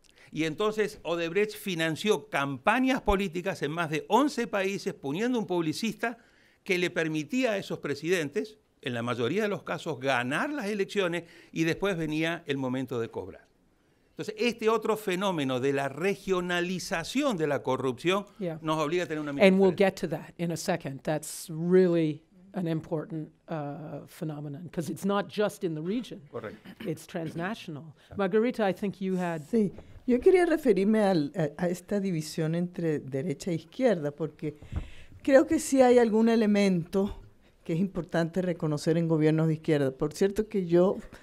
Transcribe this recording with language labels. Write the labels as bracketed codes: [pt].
[es] Y entonces Odebrecht financió campañas políticas en más de 11 países poniendo un publicista que le permitía a esos presidentes, en la mayoría de los casos, ganar las elecciones, y después venía el momento de cobrar. Entonces, este otro fenómeno de la regionalización de la corrupción nos obliga a tener una mirada. [en] And we'll get to that in a second. That's really an important phenomenon, because it's not just in the region. [es] Correcto. [en] It's transnational. Margarita, I think you had... [es] Sí, yo quería referirme a esta división entre derecha e izquierda, porque creo que sí hay algún elemento que es importante reconocer en gobiernos de izquierda. Por cierto que yo...